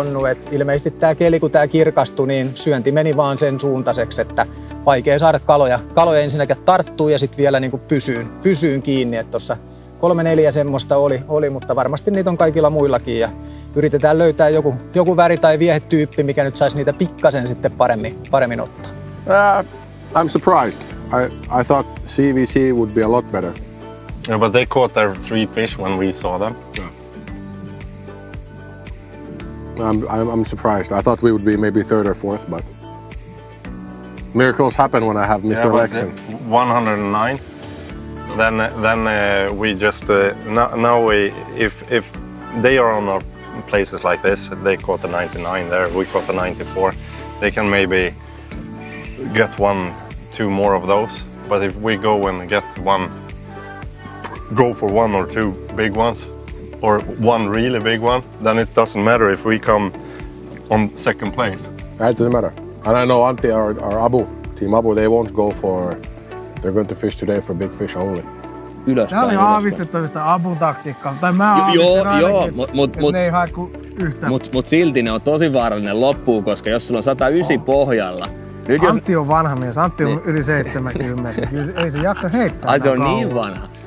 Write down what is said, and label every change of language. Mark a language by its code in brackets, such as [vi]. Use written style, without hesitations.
[fi] Et ilmeisesti tämä keli, kun tämä kirkastui, niin syönti meni vaan sen suuntaiseksi, että vaikea saada kaloja. Kaloja ensinnäkin tarttuu ja sitten vielä niin kuin pysyyn kiinni. Tuossa 3-4 semmoista oli, mutta varmasti niitä on kaikilla muillakin. Ja yritetään löytää joku väri tai viehetyyppi, mikä nyt saisi niitä pikkasen sitten paremmin ottaa. [en] I'm surprised. I thought CVC would be a lot better. Yeah, but they caught their three fish when we saw them. Yeah. I'm surprised. I thought we would be maybe third or fourth, but miracles happen when I have Mr. Lexen. 109. Then if they are on our places like this, they caught the 99 there, we caught the 94. They can maybe get one, two more of those. But if we go and go for one or two big ones, or one really big one, then it doesn't matter if we come on second place. It doesn't matter. And I know Antti or Abu, Team Abu, they won't go for, they're going to fish today for big fish only. [fi] Ylöspäin. Tämä oli aavistettavista Abu-taktiikkaa, tai mä aavistin ainakin, ei hae kuin yhtään. Mutta silti ne on tosi vaarallinen loppuun, koska jos sulla on 109 pohjalla. Nyt Antti on vanha mies, Antti on yli 70, ei se jaksa heittää. Ai se on niin vanha.